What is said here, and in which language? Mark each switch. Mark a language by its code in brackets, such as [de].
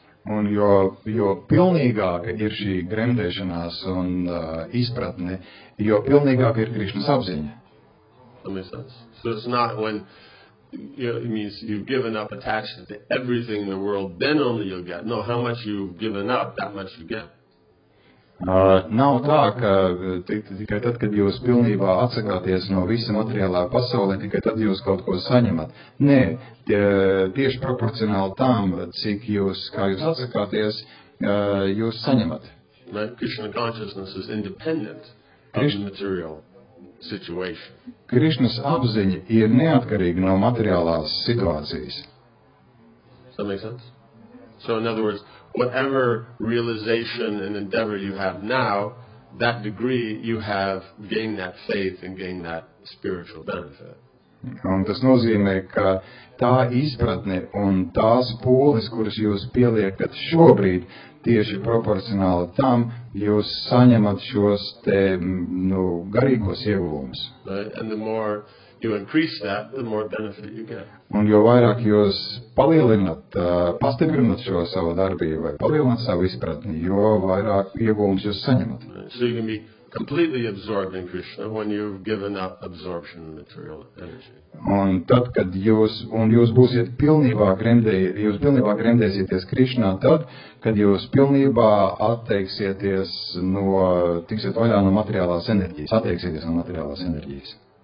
[lv] Un jo pilnīgāka ir šī gremdēšanās un izpratne, jo pilnīgāka ir Krishna apziņa. [en] That makes sense. So it's not when it means you've given up attachment to everything in the world, then only you'll get. No, how much you've given up, that much you get. [lv] Nav tā, ka tikai tad, kad jūs pilnībā atsakāties no visa materiālā pasaulē, tikai tad jūs kaut ko saņemat. Nē, tieši proporcionāli tam, cik jūs, kā jūs atsakāties, jūs saņemat. [en] Krishna consciousness is independent of the material situation. [lv] Krishnas apziņa ir neatkarīga no materiālās situācijas. [en] Does that make sense? So in other words, whatever realization and endeavor you have now, that degree you have gained that faith and gained that spiritual benefit. [lv] Un tas nozīmē, ka tā izpratne un tās pūles, kuras jūs pieliekat šobrīd, tieši proporcionāli tam, jūs saņemat šos te, nu, garīgos ieguvumus. [en] Right? And the more you increase that, the more benefit you get. [lv] Un jo vairāk jūs palielinat, pastiprinat šo savu darbību vai palielinat savu izpratni, jo vairāk ieguvums jūs saņemat. [en] So you can be completely absorbed in Krishna when you've given up absorption of material energy. [lv] Un tad, kad jūs, un jūs būsiet pilnībā gremdējies, jūs pilnībā gremdēsieties Krishnā tad, kad jūs pilnībā atteiksieties no, tiksiet vaļā no materiālās enerģijas, atteiksieties no materiālās enerģijas.